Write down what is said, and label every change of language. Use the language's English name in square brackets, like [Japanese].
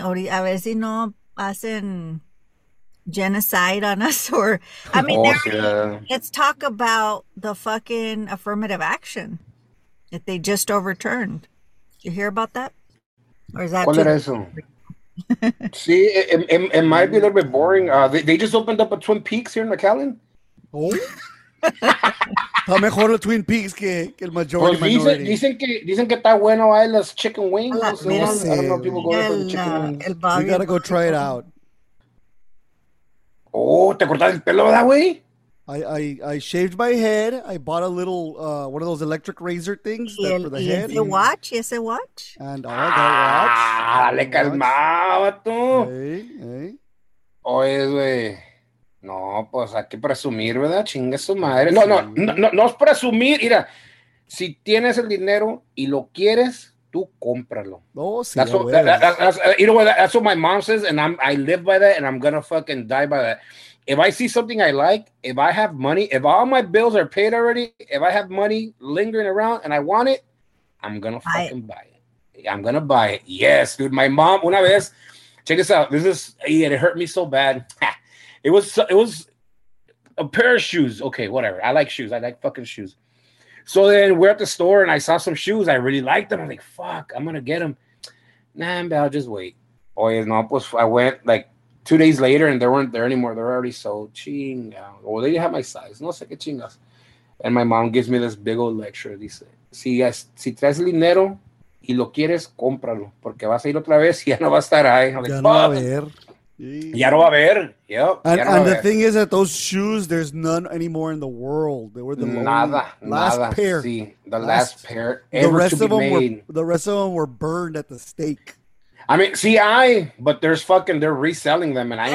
[Spanish] A ver si no hacen [English] genocide on us, or I mean, let's talk about the fucking affirmative action that they just overturned. Did you hear about that? Or is that what is it? See, it might be a little bit boring. They just opened up a Twin Peaks here in McAllen. [Spanish] Oh, mejor a Twin Peaks que el majority. [English] Well, [Spanish] dicen que está bueno ahí las chicken wings. [English] I don't know if people go there for the chicken wings. We gotta go try it out. Oh, [Spanish] te cortaste el pelo [English] that way? I shaved my head. I bought a little one of those electric razor things for the head. Yes, a watch. Yes, a watch. And I got a watch. [Spanish] Ah, le calmaba tú. Hey. Oye, güey. No, pues hay que presumir, ¿verdad? Chinga su madre. No, es presumir. Mira, si tienes el dinero y lo quieres, tú cómpralo. [English] That's what my mom says, and I live by that, and I'm gonna fucking die by that. If I see something I like, if I have money, if all my bills are paid already, if I have money lingering around and I want it, I'm gonna fucking buy it. I'm gonna buy it. Yes, dude. My mom, [Spanish] una vez, [English] check this out. It hurt me so bad. It was a pair of shoes. Okay, whatever. I like shoes. I like fucking shoes. So then we're at the store and I saw some shoes. I really liked them. I'm like, fuck, I'm going to get them. Nah, man, I'll just wait. [Spanish] Oye, no, pues [English] I went like 2 days later and they weren't there anymore. They're already sold. Chinga. Well, they didn't have my size. [Spanish] No sé qué chingas. [English] And my mom gives me this big old lecture. [Spanish] Dice, si traes dinero y lo quieres, cómpralo. Porque vas a ir otra vez y ya no va a estar ahí. [English] I'm like, [Spanish] ya no va a haber. Ya no va a haber. Yep. [English] And the thing is that those shoes, there's none anymore in the world. They were the last pair. Sí, the last pair. The rest of them were burned at the stake. I mean, but there's fucking, they're reselling them.